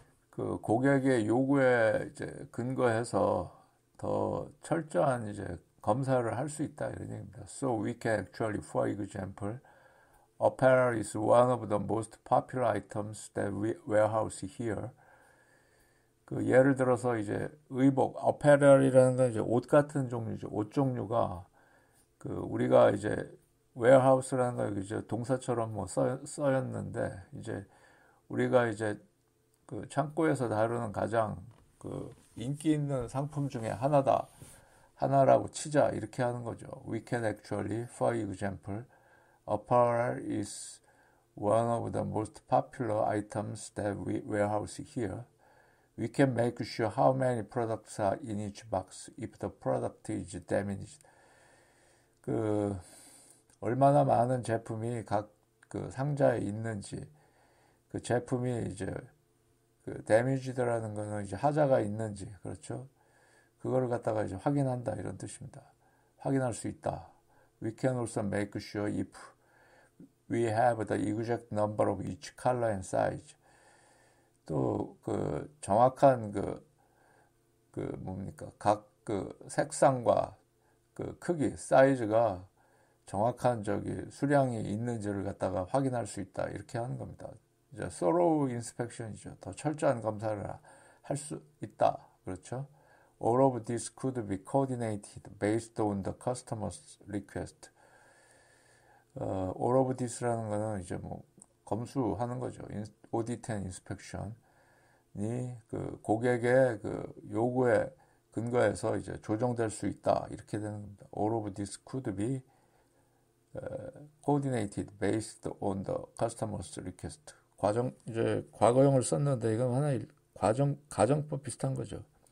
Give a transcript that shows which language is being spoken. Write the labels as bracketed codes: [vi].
[ko] 그 고객의 요구에 이제 근거해서 더 철저한 이제 검사를 할 수 있다 이런 얘기입니다. [en] So we can actually, for example, apparel is one of the most popular items that we warehouse here. [ko] 그 예를 들어서 이제 의복, apparel이라는 건 이제 옷 같은 종류죠. 옷 종류가 그 우리가 이제 warehouse라는 거 이제 동사처럼 뭐 써였는데 이제 우리가 이제 그 창고에서 다루는 가장 그 인기 있는 상품 중에 하나다 하나라고 치자 이렇게 하는 거죠. [en] We can actually, for example, apparel is one of the most popular items that we warehouse here. We can make sure how many products are in each box if the product is damaged. [ko] 그 얼마나 많은 제품이 각그 상자에 있는지 그 제품이 이제 그 데미지드라는 거는 이제 하자가 있는지 그렇죠? 그거를 갖다가 이제 확인한다 이런 뜻입니다. 확인할 수 있다. [en] We can also make sure if we have the exact number of each color and size. [ko] 또 그 정확한 그 뭡니까? 각 그 색상과 그 크기, 사이즈가 정확한 저기 수량이 있는지를 갖다가 확인할 수 있다 이렇게 하는 겁니다. 이제 [en] thorough inspection [ko] 이죠. 더 철저한 검사를 할 수 있다. 그렇죠? [en] All of this could be coordinated based on the customer's request. All of this [ko] 라는 거는 이제 뭐 검수하는 거죠. [en] Audit and inspection [ko] 이 그 고객의 그 요구에 근거해서 이제 조정될 수 있다 이렇게 되는 겁니다. [en] All of this could be coordinated based on the customer's request. [ko] 과정 이제 과거형을 썼는데 이건 하나의 과정 가정법 비슷한 거죠.